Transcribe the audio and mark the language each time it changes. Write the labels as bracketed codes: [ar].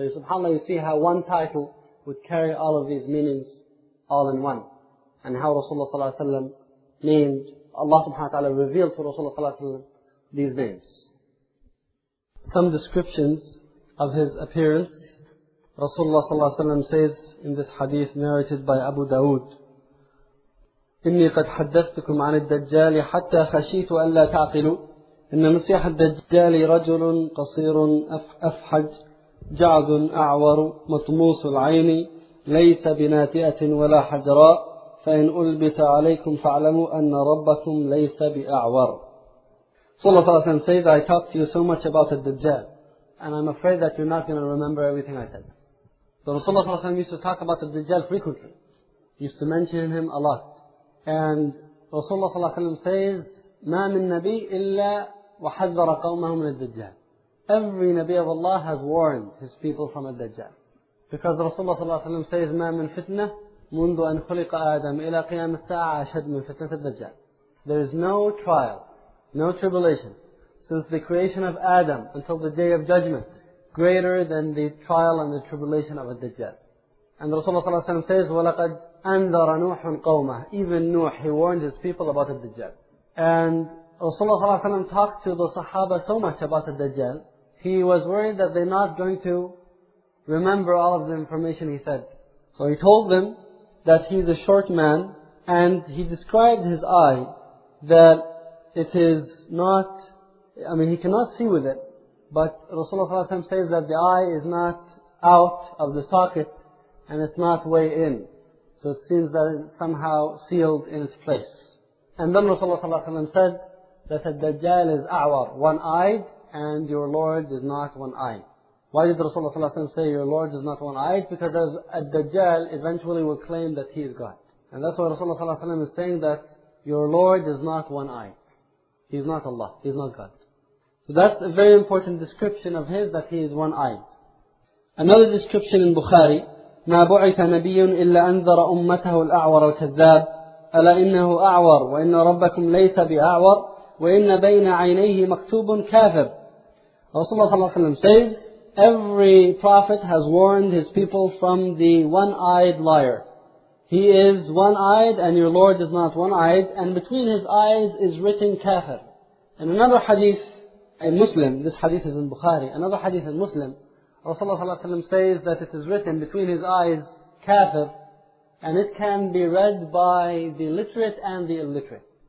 [en] So subhanAllah, you see how one title would carry all of these meanings all in one. And how Rasulullah [ar] صلى الله عليه وسلم [en] named, Allah subhanahu wa ta'ala revealed to Rasulullah [ar] صلى الله عليه وسلم [en] these names. Some descriptions of his appearance. [ar] Rasulullah صلى الله عليه وسلم [en] says in this hadith narrated by Abu Dawood, [ar] إِنِّي قَدْ حَدَّثْتُكُمْ عَنِ الدَّجَّالِ حَتَّى خَشِيتُ أَلَّا تَعْقِلُوا إن مسيح الدجال رجل قصير أفحج جعد أعور مطموس العين ليس بناتئة ولا حجراء فإن ألبس عليكم فاعلموا أن ربكم ليس بأعور. [en] So Allah Ta'ala says, I talked to you so much about the Dajjal, and I'm afraid that you're not going to remember everything I said. So Rasulullah used to talk about the Dajjal frequently. He used to mention him a lot. And Rasulullah says, [ar] مَا مِن نَبِي إِلَّا وَحَذَّرَ قَوْمَهُ مِنَ الدَّجَّالِ. [en] Every Nabi of Allah has warned his people from the Dajjal. Because Rasulullah says, [ar] مَا مِن فِتْنَةٍ مُنْدُ أَنْ خُلِقَ آدَمْ إِلَى قِيَامِ السَّاعَةَ أَشَدْ مِن فِتْنَةِ الدَّجَّالِ. [en] There is no trial, no tribulation, since the creation of Adam until the Day of Judgment, greater than the trial and the tribulation of a Dajjal. And Rasulullah says, [ar] وَلَقَدْ أَنْذَرَ نُوحٌ قَوْمَهُ. [en] Even Nuh, he warned his people about the Dajjal. And Rasulullah talked to the Sahaba so much about the Dajjal, he was worried that they're not going to remember all of the information he said. So he told them that he's a short man, and he described his eye that it is not, I mean, he cannot see with it, but Rasulullah says that the eye is not out of the socket, and it's not way in. So it seems that it's somehow sealed in its place. And then Rasulullah said that Ad-Dajjal is a'war, one-eyed, and your Lord is not one-eyed. Why did Rasulullah say your Lord is not one-eyed? Because Ad-Dajjal eventually will claim that he is God. And that's why Rasulullah is saying that your Lord is not one-eyed. He's not Allah, he's not God. So that's a very important description of his, that he is one-eyed. Another description in Bukhari, [ar] مَا بُعِثَ نَبِيٌّ إِلَّا أَنْذَرَ أُمَّتَهُ الْأَعْوَرَ وَكَذَّابُ أَلَا إِنَّهُ أَعْوَرُ وَإِنَّ رَبَّكُمْ لَيْسَ بِأَعْوَرُ وَإِنَّ بَيْنَ عَيْنَيْهِ مَكْتُوبٌ كَافِرٌ. [en] Rasulullah says, every prophet has warned his people from the one-eyed liar. He is one-eyed and your Lord is not one-eyed, and between his eyes is written kafir. In another hadith in Muslim, this hadith is in Bukhari, another hadith in Muslim, Rasulullah says that it is written between his eyes, kafir, and it can be read by the literate and the illiterate.